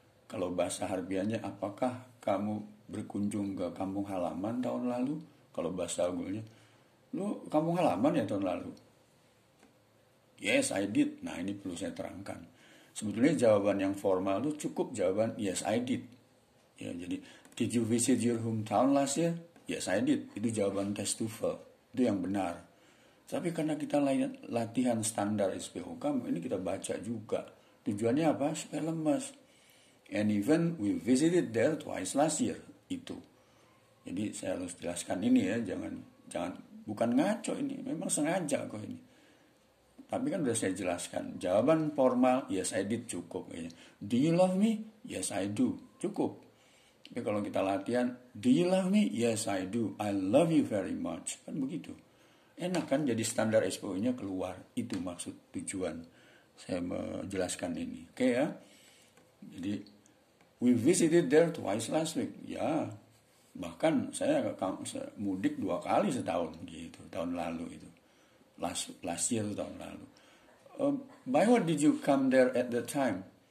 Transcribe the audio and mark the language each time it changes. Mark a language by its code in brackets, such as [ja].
[id] Kalau bahasa harfiahnya, apakah kamu berkunjung ke kampung halaman tahun lalu? Kalau bahasa ogulnya, lu kampung halaman ya tahun lalu? [en] Yes, I did. [id] Nah, ini perlu saya terangkan. Sebetulnya jawaban yang formal itu cukup jawaban [en] yes, I did. [id] Ya, jadi, [en] did you visit your hometown last year? Yes, I did. [id] Itu jawaban test TOEFL. Itu yang benar. Tapi karena kita latihan standar SPOK, ini kita baca juga. Tujuannya apa? Supaya lemas. [en] And even we visited there twice last year. [id] Itu. Jadi saya harus jelaskan ini ya. Jangan bukan ngaco ini. Memang sengaja kok ini. Tapi kan sudah saya jelaskan. Jawaban formal, [en] yes I did, [id] cukup. [en] Do you love me? Yes I do. [id] Cukup. Tapi kalau kita latihan, [en] do you love me? Yes I do. I love you very much. [id] Kan begitu. Enak kan jadi standar SPO-nya keluar. Itu maksud tujuan saya menjelaskan ini. Oke ya. Jadi, [en] we visited there twice last week. [id] Ya, bahkan saya mudik 2 kali setahun gitu. Tahun lalu itu. [en] Last year [id] itu tahun lalu. [en] By what did you come there at that time?